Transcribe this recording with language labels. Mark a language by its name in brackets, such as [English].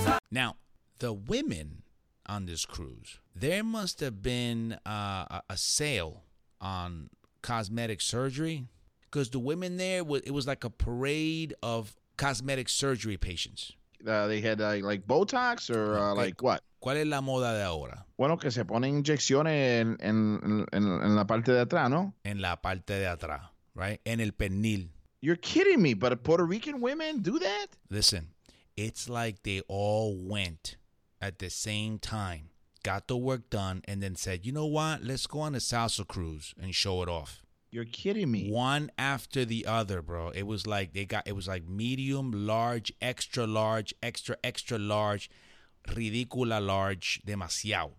[English] Now, the women on this cruise, there must have been a sale on cosmetic surgery, because the women there, it was like a parade of cosmetic surgery patients. They had like Botox or like what? [Spanish] ¿Cuál es la moda de ahora? Bueno, que se ponen inyecciones en la parte de atrás, ¿no? En la parte de atrás, [English] right? [Spanish] En el pernil. [English] You're kidding me, but Puerto Rican women do that? Listen, it's like they all went at the same time. Got the work done, and then said, you know what? Let's go on a salsa cruise and show it off. You're kidding me. One after the other, bro. It was like medium, large, extra large, extra, extra large, [Spanish] ridícula [English] large, [Spanish] demasiado.